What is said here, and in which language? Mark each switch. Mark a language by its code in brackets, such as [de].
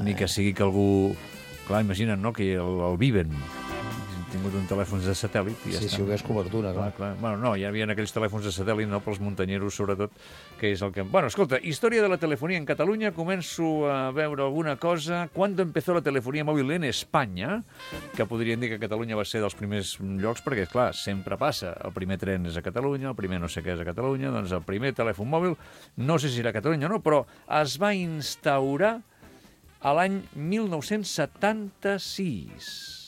[ca] Ni que sigui que algú... Clar, imagina't, no?, que el viven... tingut un telèfon de satèl·lit. I ja si hi hagués cobertura, clar. Bueno, no, hi havia aquells telèfons de satèl·lit, no, pels muntanyeros, sobretot, que és el que... Bueno, escolta, història de la telefonia en Catalunya, començo a veure alguna cosa. [es] ¿Cuándo empezó la telefonía móvil en España? [ca] Que podrien dir que Catalunya va ser dels primers llocs, perquè, clar, sempre passa. El primer tren és a Catalunya, el primer no sé què és a Catalunya, doncs el primer telèfon mòbil, no sé si era a Catalunya o no, però es va instaurar a l'any 1976.